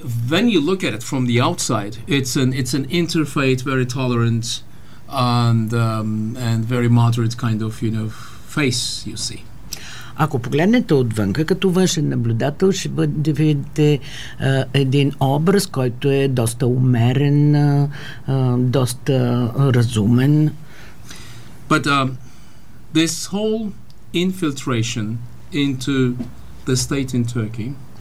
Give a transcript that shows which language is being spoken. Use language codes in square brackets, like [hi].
[en] When you look at it from the outside, it's an interfaith, very tolerant and very moderate kind of, you know, face you see. [bg] Ако погледнете отвънка, като външен наблюдател, ще бъде видите един образ, който е доста умерен, доста разумен. [en] But this whole infiltration into the state in Turkey.